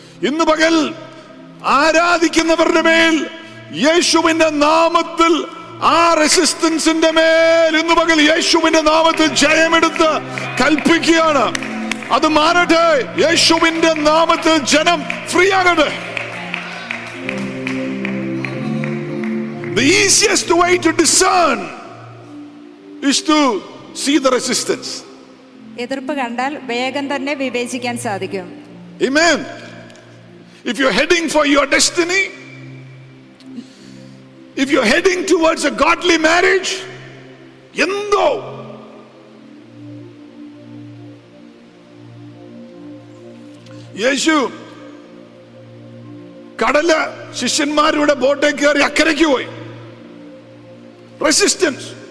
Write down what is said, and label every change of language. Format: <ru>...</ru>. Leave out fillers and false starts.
<ml>ഇന്ന് പകൽ ആരാധിക്കുന്നവരുടെ മേൽ യേശുവിന്റെ നാമത്തിൽ ആ റെസിസ്റ്റൻസിന്റെ മേൽ ഇന്ന് പകൽ യേശുവിന്റെ നാമത്തിൽ ജയമെടുത്ത് കൽപ്പിക്കുകയാണ്. അത് മാറട്ടെ, യേശുവിന്റെ നാമത്തിൽ ജനം ഫ്രീ ആകട്ടെ.</ml> <en>The easiest way to discern is to see the resistance.</en> <ml>എതിർപ്പ് കണ്ടാൽ വേഗം തന്നെ വിവേചിക്കാൻ സാധിക്കും.</ml> <en>Amen. If you're heading for your destiny, if you're heading towards a godly marriage,</en> <ml>yendo യേശു കടല ശിഷ്യന്മാരുടെ ബോട്ടിൽ കയറി അക്കരയ്ക്ക് പോയി. റെസിസ്റ്റൻസ്.</ml>